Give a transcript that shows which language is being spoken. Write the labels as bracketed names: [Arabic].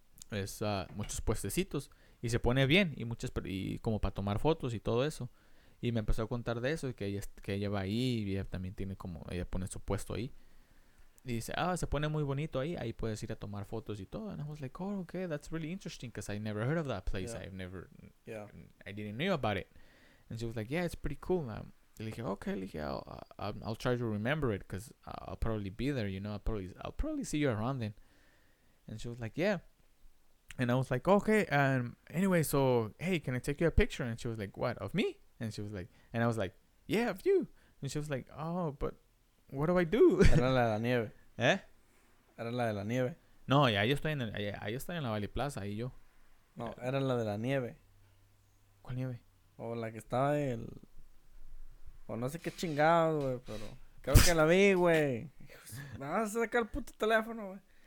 [Spanish] Es muchos puestecitos y se pone bien y muchas, y como para tomar fotos y todo eso. Y me empezó a contar de eso, que ella va ahí y ella también tiene como, ella pone su puesto ahí. Y dice, ah, se pone muy bonito ahí, ahí puedes ir a tomar fotos y todo. [English] And I was like, oh, okay, that's really interesting, because I never heard of that place. Yeah. I didn't know about it. And she was like, yeah, it's pretty cool. [Spanish] Y le dije, okay, le dije, [English] I'll try to remember it, because I'll probably be there, you know, I'll probably see you around then. And she was like, yeah. And I was like, okay, anyway, so, hey, can I take you a picture? And she was like, what, of me? And she was like, and I was like, yeah, of you. And she was like, oh, but what do I do? [Spanish] Era la de la nieve. ¿Eh? Era la de la nieve. No, y ahí estoy en el, ahí estoy en la Valley Plaza, ahí yo. No, era la de la nieve. ¿Cuál nieve? O la que estaba el, o no sé qué chingado, güey, pero creo que la vi, güey. Me vas a sacar el puto teléfono, güey.